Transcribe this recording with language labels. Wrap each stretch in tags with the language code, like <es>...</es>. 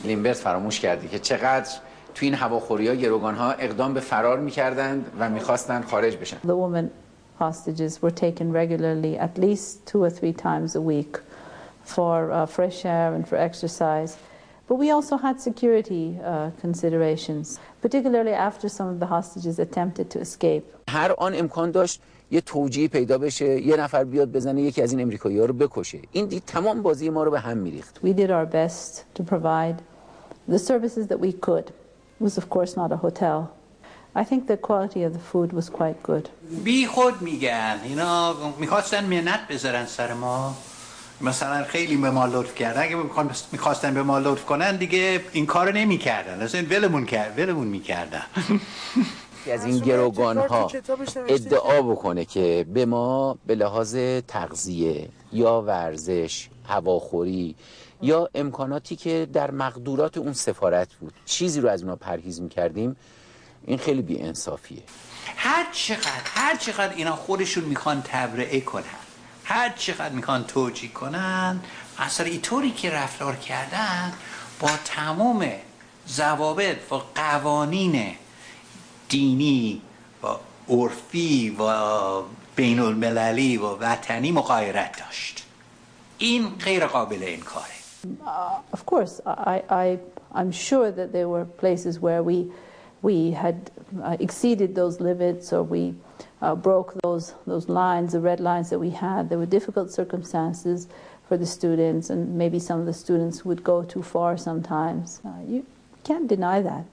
<fa>لیمبرت فراموش کرده که چقدر تو این هواخوری‌ها گروگان‌ها اقدام به فرار می‌کردند و می‌خواستند خارج بشن.</fa> <en>The women hostages were taken regularly, at least two or three times a week, for fresh air and for exercise. But we also had security considerations, particularly after some of the hostages attempted to escape.</en> <fa>هر آن امکان داشت یه توجیه پیدا بشه، یه نفر بیاد بزنه یکی از این امریکایی‌ها رو بکشه. این دید تمام بازی ما رو به هم می‌ریخت.</fa> <en>We did our best to provide the services that we could. It was of course not a hotel. I think the quality of the food was quite good.</en> <fa>بی خود میگن، اینا می‌خواستن منت بذارن سر ما. مثلا خیلی به ما لطف کردن، اگه می‌خواستن به ما لطف کنن دیگه این کارو نمی‌کردن. مثلا ولمون می‌کردن. از این گروگان ها ادعا بکنه که به ما به لحاظ تغذیه یا ورزش، هواخوری یا امکاناتی که در مقدورات اون سفارت بود چیزی رو از اونا پرهیز میکردیم، این خیلی بی‌انصافیه. هر چقدر اینا خودشون میخوان تبرئه کنن، هر چقدر میخوان توجیه کنن، اصلا اینطوری که رفتار کردن با تمام ضوابط و قوانین دینی و عرفی و بین المللی و وطنی مغایرت داشت. این غیر قابل انکاره.</fa> <en>Of course, I'm sure that there were places where we had exceeded those limits, or we broke those lines, the red lines that we had. There were difficult circumstances for the students, and maybe some of the students would go too far sometimes. Can't deny that.</en>